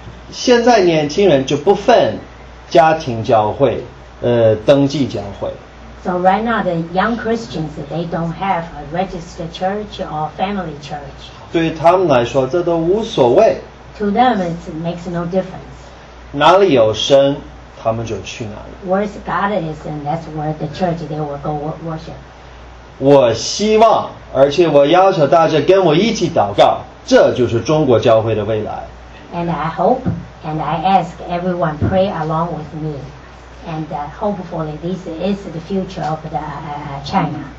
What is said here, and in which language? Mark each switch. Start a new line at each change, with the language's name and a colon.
Chinese: 现在年轻人就不分家庭教会，登记教会。
English: So right now, the young Christians, they don't have a registered church or family church.
Chinese: 对他们来说，这都无所谓。
English: To them, it makes no difference.
Chinese: 哪里有神，他们就去哪里。
English: Where God is, and that's where the church, they will go worship.
Chinese: 我希望，而且我要求大家跟我一起祷告，这就是中国教会的未来。
English: And I hope, and I ask everyone pray along with me. And hopefully, this is the future of the China.